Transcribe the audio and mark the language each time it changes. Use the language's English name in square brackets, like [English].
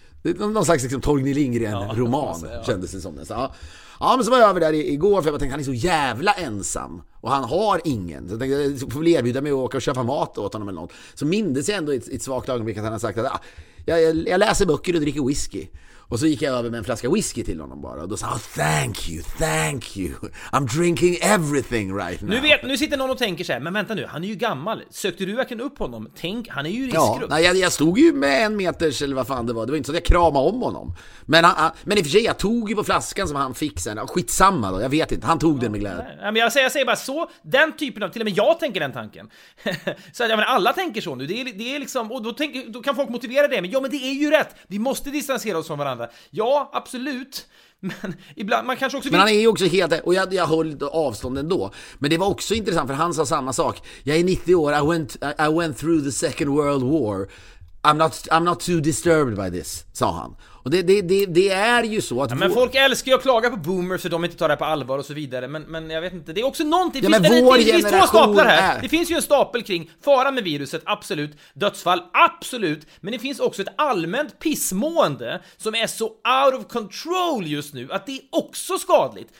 [Swedish] någon slags liksom Torgny Lindgren-roman, ja, kändes det som. Ja, men så var jag över där igår, för jag tänkte, han är så jävla ensam och han har ingen. Så jag tänkte, så får väl erbjuda mig att åka och köpa mat åt honom eller något. Så mindes jag ändå ett svagt ögonblick att han har sagt att jag läser böcker och dricker whisky. Och så gick jag över med en flaska whisky till honom bara. Och då sa han, [English] thank you. I'm drinking everything right now. [Swedish] Nu sitter någon och tänker så här, men vänta nu, han är ju gammal. Sökte du verkligen upp honom? Tänk, han är ju riskgrupp. Ja, nej, jag stod ju med en meters eller vad fan det var. Det var inte så att jag kramade om honom. Men i och för sig, jag tog ju på flaskan som han fick sen. Skitsamma då, jag vet inte. Han tog den med glädje. Nej, men jag säger bara så, den typen av, till och med jag tänker den tanken. Så att, ja, men alla tänker så nu. Det är liksom, och då kan folk motivera det. Men ja, men det är ju rätt. Vi måste distansera oss från varandra. Ja, absolut. Men ibland man kanske också vill... Men han är ju också helt, och jag höll avstånd ändå. Men det var också intressant, för han sa samma sak. Jag är 90 år. [English] I went through the Second World War. I'm not too disturbed by this, [Swedish] sa han. Och det är ju så att ja, men folk älskar ju att klaga på boomers för de inte tar det på allvar och så vidare. Men jag vet inte, det är också någonting. Ja, men finns två staplar här. Det finns ju en stapel kring faran med viruset, absolut. Dödsfall, absolut. Men det finns också ett allmänt pissmående som är så [English] out of control [Swedish] just nu att det är också skadligt.